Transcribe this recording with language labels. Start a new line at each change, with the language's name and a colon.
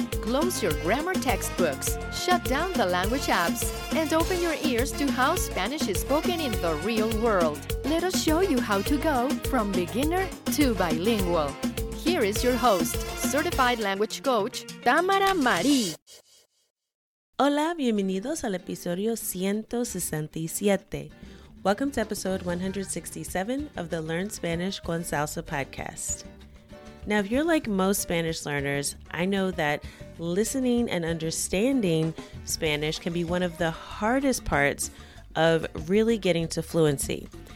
English: Close your grammar textbooks, shut down the language apps, and open your ears to how Spanish is spoken in the real world. Let us show you how to go from beginner to bilingual. Here is your host, certified language coach, Tamara Marie.
Spanish: Hola, bienvenidos al episodio 167.
English: Welcome to episode 167 of the Learn Spanish con Salsa podcast. Now, if you're like most Spanish learners, I know that listening and understanding Spanish can be one of the hardest parts of really getting to fluency.